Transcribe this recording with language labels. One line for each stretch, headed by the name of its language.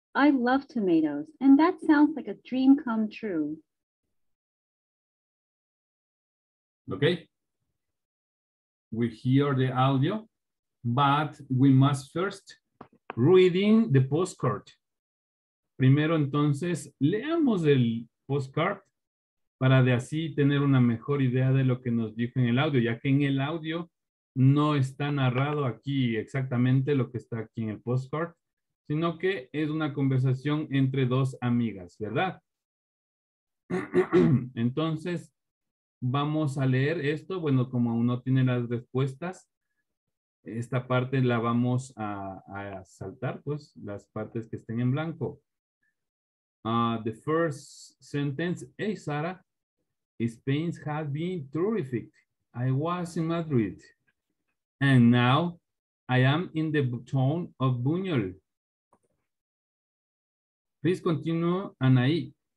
English: I love tomatoes, and that sounds like a dream come true. Okay. We hear the audio, but we must first reading the postcard.
Spanish: Primero, entonces, leamos el postcard para de así tener una mejor idea de lo que nos dijo en el audio, ya que en el audio no está narrado aquí exactamente lo que está aquí en el postcard, sino que es una conversación entre dos amigas, ¿verdad? Entonces, vamos a leer esto. Bueno, como aún no tiene las respuestas, esta parte la vamos a saltar, pues, las partes que estén en blanco.
English: The first sentence, hey, Sara, Spain has been terrific. I was in Madrid. And now I am in the town of Buñol. Please continue, Anaí.